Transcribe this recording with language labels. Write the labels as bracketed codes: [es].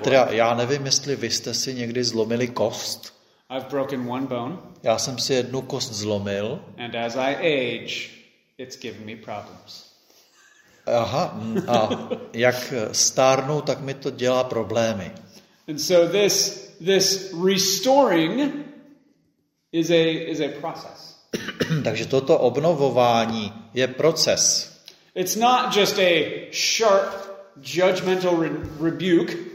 [cs] Já nevím, jestli vy jste si někdy zlomili kost. [en] I've broken one bone. [cs] Já jsem si jednu kost zlomil. [en] And as I age, it's giving me problems. [cs] Aha, a jak stárnu, tak mi to dělá problémy. [en] And so this restoring is a process. [cs] Takže toto obnovování je proces. [en] It's not just a sharp judgmental rebuke.